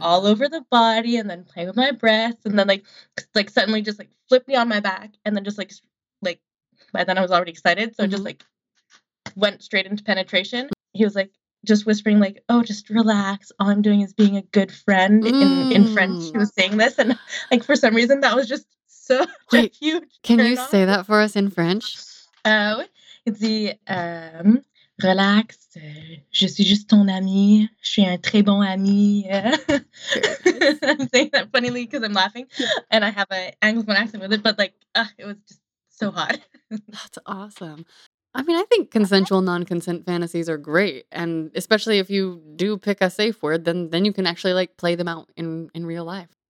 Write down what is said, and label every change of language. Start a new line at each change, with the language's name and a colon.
English: all over the body, and then playing with my breasts, and then like suddenly just like flip me on my back, and then just like by then I was already excited, so mm-hmm. just like went straight into penetration. He was like just whispering like, oh, just relax, all I'm doing is being a good friend. Mm. In French he was saying this, and like for some reason that was just so wait, huge. Can you say that for us in French? It's the relax,
French: je suis juste ton ami, je suis un très bon ami.
English: I'm saying that funnily because I'm laughing, and I have an Anglophone accent with it, but like, it was just so hot. That's awesome. I mean, I think consensual non-consent fantasies are great, and especially if you do pick a safe word, then you can actually like play them out in real life.